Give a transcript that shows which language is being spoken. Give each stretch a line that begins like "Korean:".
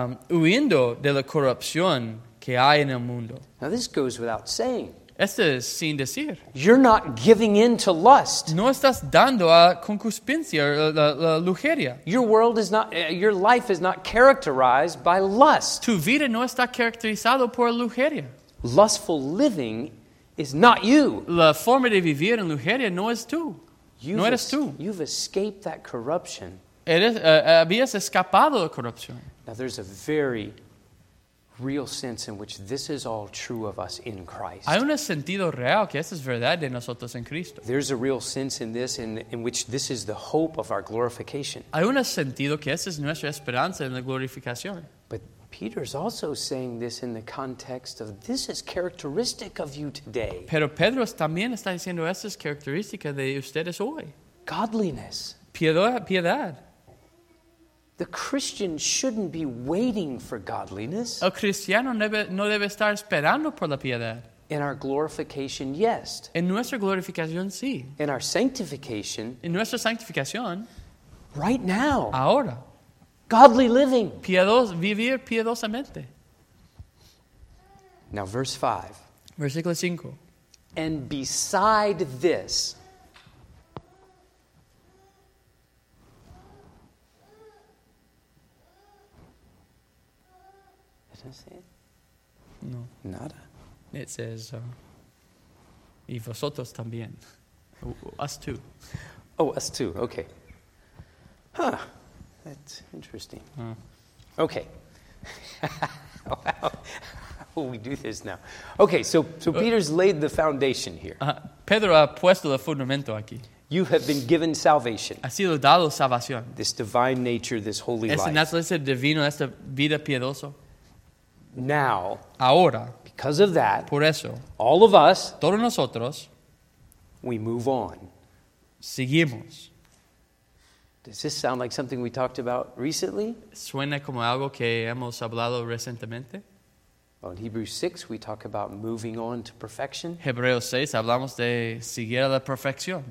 Spanish: Huyendo de la corrupción que hay en el mundo.
English: Now this goes without saying.
Spanish: Esto es sin decir.
English: You're not giving in to lust.
Spanish: No estás dando a concupiscencia, la lujuria.
English: Your world is not, your life is not characterized by lust.
Spanish: Tu vida no está caracterizado por lujuria.
English: Lustful living is not you.
Spanish: La forma de vivir en lujuria no es tú. No eres tú.
English: You've escaped that corruption.
Spanish: Habías escapado de la corrupción.
English: Now there's a very real sense in which this is all true of us in Christ.
Spanish: Hay un sentido real que esto es verdad de nosotros en Cristo.
English: There's a real sense in this in which this is the hope of our glorification.
Spanish: Hay un sentido que esta es nuestra esperanza en la glorificación.
English: But Peter's also saying this in the context of this is characteristic of you today.
Spanish: Pero Pedro también está diciendo esta es característica de ustedes hoy.
English: Godliness.
Spanish: Piedad.
English: The Christian shouldn't be waiting for godliness.
Spanish: El cristiano no debe estar esperando por la piedad.
English: In our glorification, yes.
Spanish: En nuestra glorificación, sí.
English: In our sanctification.
Spanish: En nuestra sanctificación.
English: Right now.
Spanish: Ahora.
English: Godly living.
Spanish: Vivir piedosamente.
English: Now, verse 5.
Spanish: Versículo 5.
English: And beside this,
Spanish: no. Nada.
English: It says,
Spanish: y vosotros también.
English: Us too. Oh, us too. Okay. Huh. That's interesting. Okay. Wow. Oh, we do this now. Okay, so Peter's laid the foundation here.
Spanish: Pedro ha puesto el fundamento aquí.
English: You have been given salvation.
Spanish: Ha sido dado salvación.
English: This divine nature, this holy
Spanish: esta
English: life.
Spanish: Esta naturaleza divina, esta vida piedosa.
English: Now,
Spanish: ahora,
English: because of that,
Spanish: por eso,
English: all of us,
Spanish: todos nosotros,
English: we move on.
Spanish: Seguimos.
English: Does this sound like something we talked about recently?
Spanish: ¿Suena como algo que hemos hablado recientemente?
English: Well, in Hebrews 6, we talk about moving on to perfection.
Spanish: Hebreos 6, hablamos de seguir a la perfección.